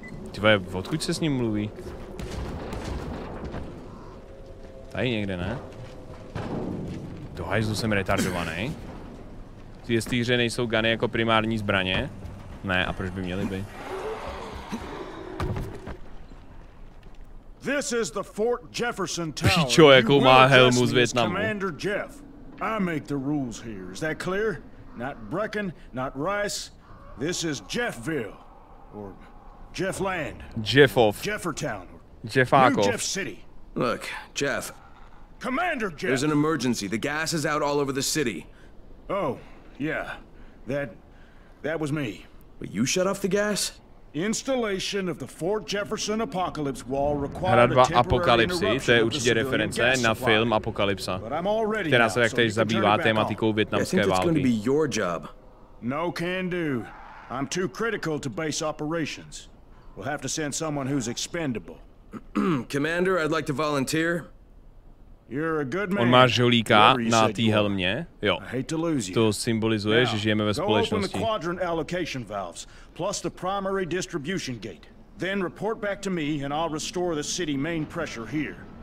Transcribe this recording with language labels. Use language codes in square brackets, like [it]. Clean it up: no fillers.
[cs] Tyvoje, odkud se s ním mluví? Tady někde, ne? Do hajzlu jsem retardovaný. Ty z té hře nejsou gany jako primární zbraně? Ne, a proč by měly by? [en] This is the Fort Jefferson Tower. [cs] Píčo, jakou má helmu z Vietnamu. [en] Commander Jeff, I make the rules here. Is that clear? Not Brecken, not Rice. This is Jeffville, or Jeffland. Jeffov. Jeffertown. Jeffakov. New Jeff City. Look, Jeff. Commander Jeff. There's an emergency. The gas is out all over the city. Oh, yeah. That was me. But you shut off the gas? Installation of the Fort Jefferson apocalypse wall required a temporary [cs] apokalypse, to je určitě reference na film Apokalypsa, která se taktéž zabývá tematikou vietnamské války. [en] No can do. I'm too critical to base operations. We'll have to send someone who's expendable. Commander, I'd like to volunteer. You're a good man. [cs] On má žolíka na té helmě. Jo. To symbolizuje, že žijeme ve společnosti. [en] Go open the quadrant allocation valves, plus the primary distribution gate. Then report back to me and I'll restore the city main pressure here.